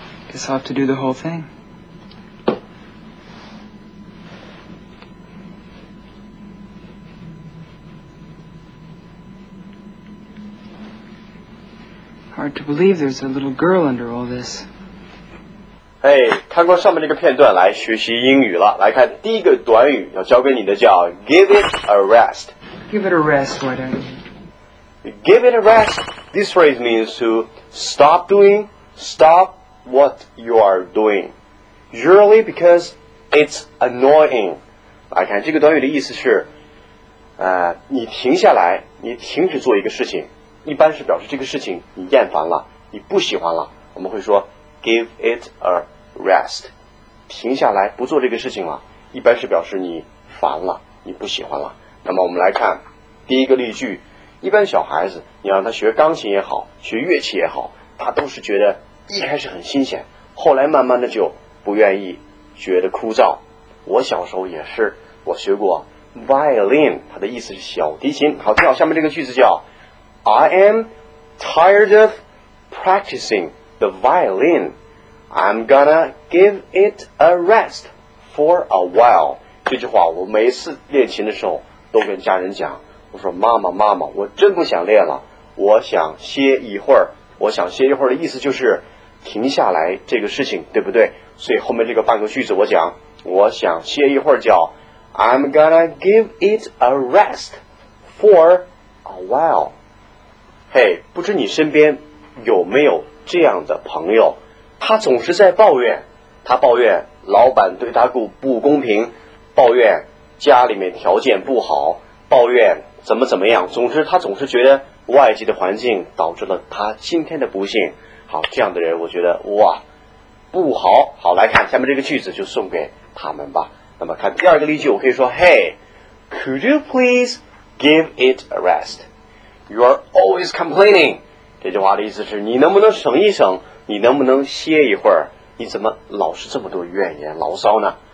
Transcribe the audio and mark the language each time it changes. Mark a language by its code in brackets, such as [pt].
[en] Guess I'll have to do the whole thing. Hard to believe there's a little girl under all this. [zh] Hey, 看过上面那个片段来学习英语了。来看第一个短语要教给你的叫 [en] give it a rest. Give it a rest, why don't you? Give it a rest. This phrase means to stop doing, stop what you are doing. Usually because it's annoying. [zh] 来看这个短语的意思是、你停下来，你停止做一个事情。一般是表示这个事情你厌烦了，你不喜欢了，我们会说 [en] give it a rest， [zh] 停下来不做这个事情了，一般是表示你烦了，你不喜欢了。那么我们来看第一个例句，一般小孩子你让他学钢琴也好，学乐器也好，他都是觉得一开始很新鲜，后来慢慢的就不愿意，觉得枯燥。我小时候也是，我学过 violin， 它的意思是小提琴。好，听好下面这个句子叫 [en] I am tired of practicing the violin. I'm gonna give it a rest for a while. [zh] 这句话我每次练琴的时候都跟家人讲，我说妈妈妈妈，我真不想练了，我想歇一会儿。我想歇一会儿的意思就是停下来这个事情，对不对？所以后面这个半个句子我讲，我想歇一会儿叫 [en] I'm gonna give it a rest for a while. [zh] 嘿、hey, 不知你身边有没有这样的朋友，他总是在抱怨，他抱怨老板对他不公平，抱怨家里面条件不好，抱怨怎么怎么样，总之他总是觉得外界的环境导致了他今天的不幸。好，这样的人我觉得哇不好。好，来看下面这个句子就送给他们吧。那么看第二个例句，我可以说 [en] Hey, could you please give it a restYou are always complaining. [zh] 这句话的意思是你能不能省一省，你能不能歇一会儿，你怎么老是这么多怨言牢骚呢？